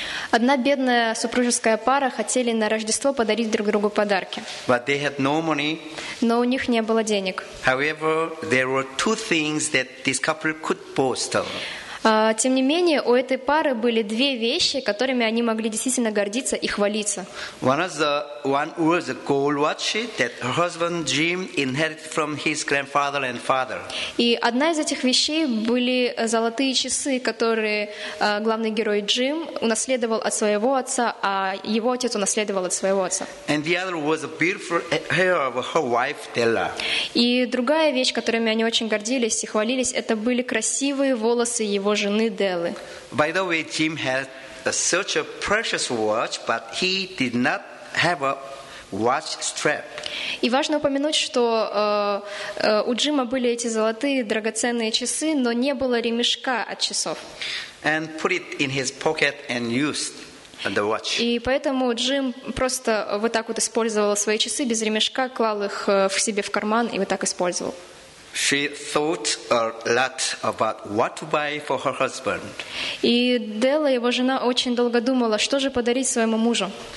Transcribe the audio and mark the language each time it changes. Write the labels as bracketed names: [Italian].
[Russian] Одна бедная супружеская пара хотели на Рождество подарить друг другу подарки. [English] But they had no money. [Russian] Но у них не было денег. [English] However, there were two things that this couple could boast of. [Russian] Тем не менее, у этой пары были две вещи, которыми они могли действительно гордиться и хвалиться. [English] One was a gold watch that her husband Jim inherited from his grandfather and father. [Russian] И одна из этих вещей были золотые часы, которые главный герой Джим унаследовал от своего отца, а его отец унаследовал от своего отца. [English] And the other was a beautiful hair of her wife Della. [Russian] И другая вещь, которыми они очень гордились и хвалились, это были красивые волосы его жены Деллы. [English] By the way, Jim had such a precious watch, but he did not have a watch strap. [Russian] И важно упомянуть, что у Джима были эти золотые драгоценные часы, но не было ремешка от часов. [English] And put it in his pocket and used the watch. [Russian] И поэтому Джим просто вот так вот использовал свои часы без ремешка, клал их в себе в карман и вот так использовал. [English] She thought a lot about what to buy for her husband. [Russian] И Делла, его жена, очень долго думала, что же подарить своему мужу.